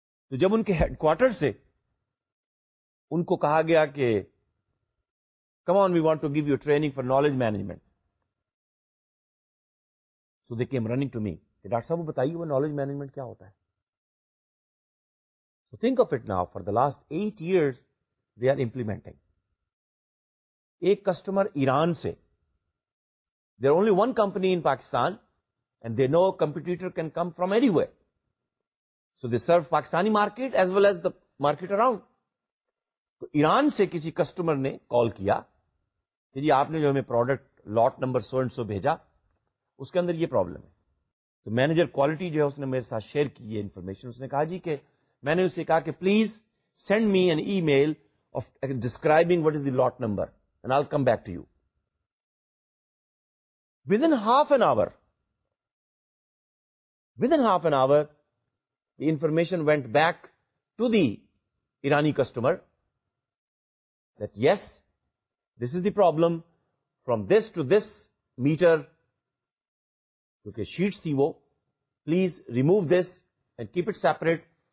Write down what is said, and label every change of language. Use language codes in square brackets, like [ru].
[ur] تو جب ان کے ہیڈ کوارٹر سے ان کو کہا گیا کہ [en] come on, we want to give you training for knowledge management, so they came running to me [ur] کہ ڈاکٹر صاحب بتائیے وہ نالج مینجمنٹ کیا ہوتا ہے. [en] So think of it now, for the last 8 years they are implementing. [ur] ایک کسٹمر ایران سے, [en] There only one company in Pakistan and they no competitor can come from anywhere, so they serve Pakistani market as well as the market around. [ur] تو ایران سے کسی customer نے کال کیا کہ جی آپ نے جو ہمیں پروڈکٹ لاٹ نمبر 100 بھیجا, اس کے اندر یہ پرابلم ہے. تو مینیجر کوالٹی جو ہے اس نے میرے ساتھ شیئر کی یہ انفارمیشن. اس نے کہا جی کہ میں نے اسے کہا کہ [en] Please send me an email of describing what is the lot number and I'll come back to you. Within half an hour, the information went back to the Irani customer that yes, this is the problem, from this to this meter, okay, sheets [ur] thi wo, [en] please remove this and keep it separate.